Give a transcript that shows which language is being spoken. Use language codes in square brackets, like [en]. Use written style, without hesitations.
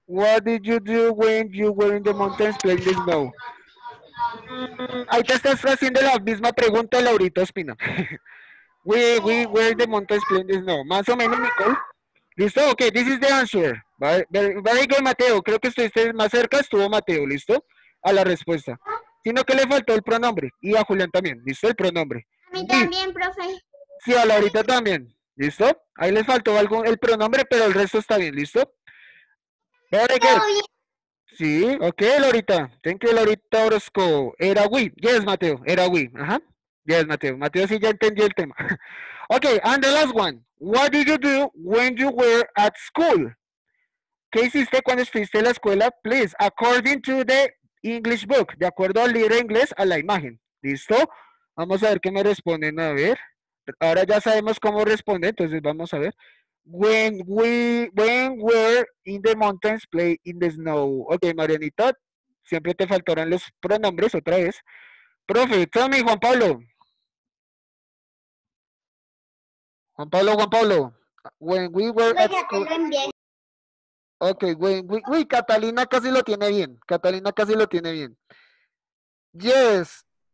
[en] What did you do when you were in the mountains playing the snow? [es] Ahí te estás haciendo la misma pregunta, Laurita Espina. [en] We were in the mountains playing the snow. [es] Más o menos, Nicole. ¿Listo? [en] Ok, this is the answer. Very good, Mateo. [es] Creo que estuviste más cerca, estuvo Mateo, ¿listo? A la respuesta. Sino que le faltó el pronombre. Y a Julián también, ¿listo? El pronombre. A mí también, profe. Sí, a Laurita también. ¿Listo? Ahí les faltó algún el pronombre, pero el resto está bien, ¿listo? [en] Very good. Sí, ok, Laurita. Thank you, Laurita Orozco. Era we. Yes, Mateo. Era we. Ajá. Yes, Mateo. [es] Mateo sí ya entendió el tema. [en] Ok, and the last one. What did you do when you were at school? [es] ¿Qué hiciste cuando estuviste en la escuela? [en] Please, according to the English book. [es] De acuerdo al libro inglés, a la imagen. ¿Listo? Vamos a ver qué me responden. A ver. Ahora ya sabemos cómo responde, entonces vamos a ver. [en] When we're in the mountains, play in the snow. [es] Ok, Marianita, siempre te faltarán los pronombres otra vez. [en] Profe, tell me, Juan Pablo. Juan Pablo. When we were at school. Ok, [es] Catalina casi lo tiene bien. [en] Yes.